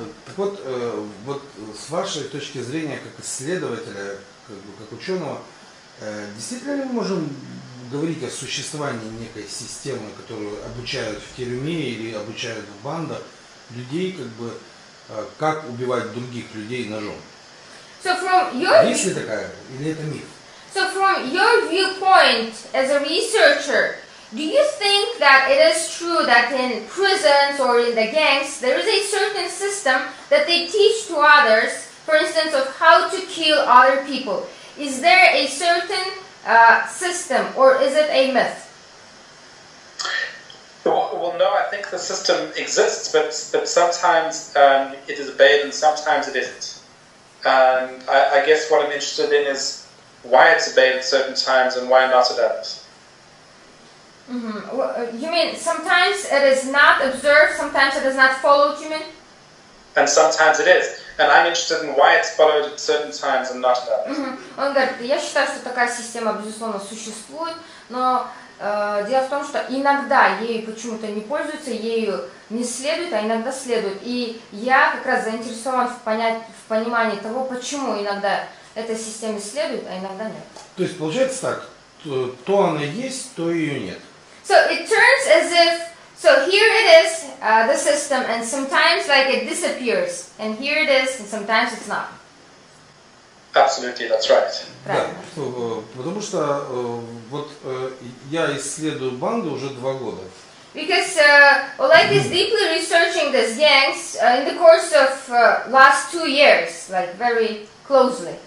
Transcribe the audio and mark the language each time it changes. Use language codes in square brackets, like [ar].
[ru] Так вот, вот с вашей точки зрения, как исследователя, как бы как ученого, действительно ли мы можем говорить о существовании некой системы, которую обучают в тюрьме или обучают в бандах людей, как бы как убивать других людей ножом? [en] So from your... [ru] Есть ли такая, или это миф? [en] So from your viewpoint as a researcher, do you think that it is true that in prisons or in the gangs there is a certain system that they teach to others, for instance, of how to kill other people? Is there a certain system, or is it a myth? Well, no, I think the system exists, but sometimes it is obeyed and sometimes it isn't. And I guess what I'm interested in is why it's obeyed at certain times and why not at others. Mm-hmm. You mean sometimes it is not observed, sometimes it is not followed, you mean? And sometimes it is. and I'm interested in why it's followed at certain times and not at others. Mm-hmm. [ru] Он говорит, я считаю, что такая система, безусловно, существует, но дело в том, что иногда ею почему-то не пользуются, ею не следует, а иногда следует. И я как раз заинтересован в понимании того, почему иногда этой системе следует, а иногда нет. То есть получается так, то она есть, то ее нет. [en] So it turns as if, so here it is, the system, and sometimes like it disappears, and here it is, and sometimes it's not. Absolutely, that's right. [ru] Да, потому что вот я исследую банды уже 2 года. [en] Because Oleg is deeply researching this gangs in the course of last 2 years, like very closely.